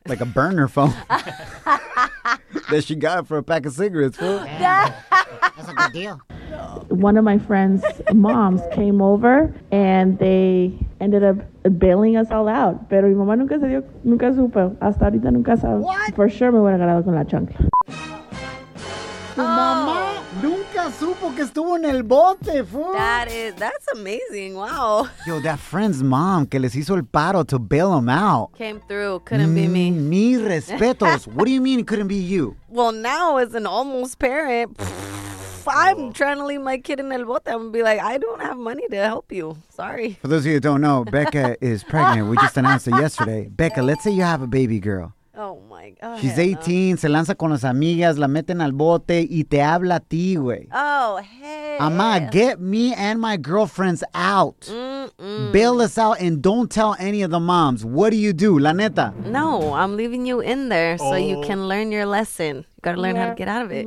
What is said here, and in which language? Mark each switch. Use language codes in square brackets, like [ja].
[en] Like a burner phone. That she got for a pack of cigarettes, fool. That's a good deal. One of my friend's moms came over and they ended up bailing us all out. [es] Pero mi mamá nunca se dio, nunca supo. Hasta ahorita nunca sabe. [en] What? For sure [es] me hubiera agarrado con la chancla. Tu mamá nunca supo que estuvo en el bote, fool. [en] That's amazing. Wow. Yo, that friend's mom [es] que les hizo el paro [en] to bail them out. Came through. Couldn't be me. [es] Mi respetos. [en] What do you mean it couldn't be you? Well, now as an almost parent, I'm trying to leave my kid in [es] el bote. [en] I'm going to be like, I don't have money to help you. Sorry. For those of you who don't know, Becca is pregnant. We just announced it yesterday. Becca, let's say you have a baby girl. Oh, my God. [es] She's 18, se lanza con las amigas, la meten al bote y te habla a ti, güey. [en] Oh, hey. Amá, get me and my girlfriends out. Bail us out and don't tell any of the moms. What do you do? [es] La neta. [en] No, I'm leaving you in there so you can learn your lesson. You got to learn how to get out of it.